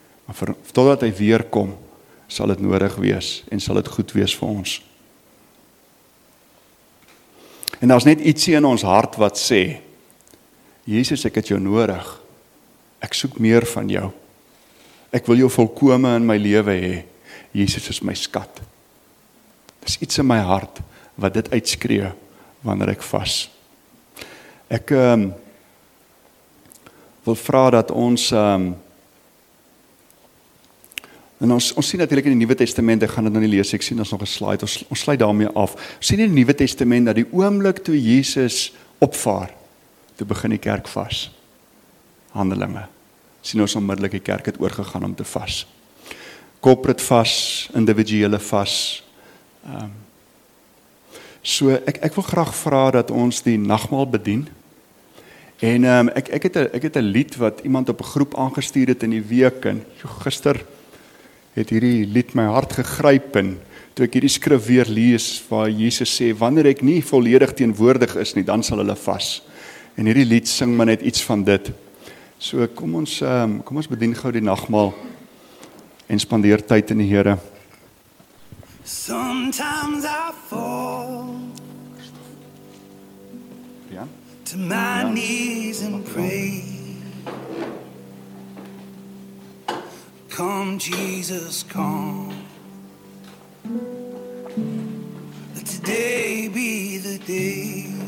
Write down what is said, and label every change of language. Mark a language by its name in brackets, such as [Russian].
[Afrikaans] Maar totdat hy weer kom, sal dit nodig wees en sal dit goed wees vir ons. En daar's net ietsie in ons hart wat sê, Jesus, ek het jou nodig. Ek soek meer van jou. Ek wil jou volkome in my lewe hê. Jesus is my skat. Dis iets in my hart wat dit uitskree wanneer ek vas. Ek wil vra dat ons en ons sien natuurlik in die Nuwe Testament, ek gaan dit nou nie lees, ek sien ons nog 'n slide, ons sluit daarmee af. Ons sien in die Nuwe Testament dat die oomblik toe Jesus opvaar, toe begin die kerk vas. Handelinge, sien ons onmiddellik die kerk het oorgegaan om te vas. Corporate vas, individuele vas. So ek wil graag vra dat ons die nagmaal bedien. En ek het 'n lied wat iemand op 'n groep aangestuur het in die week. En gister het hierdie lied my hart gegryp. En toe ek hierdie skrif weer lees waar Jesus sê, wanneer ek nie volledig teenwoordig is nie, dan sal hulle vas. En hierdie lied sing my net iets van dit. So kom ons bedien gou die nagmaal en spandeer tyd in die Here. [English] Sometimes I fall to my knees and pray. Come Jesus, come. Let today be the day.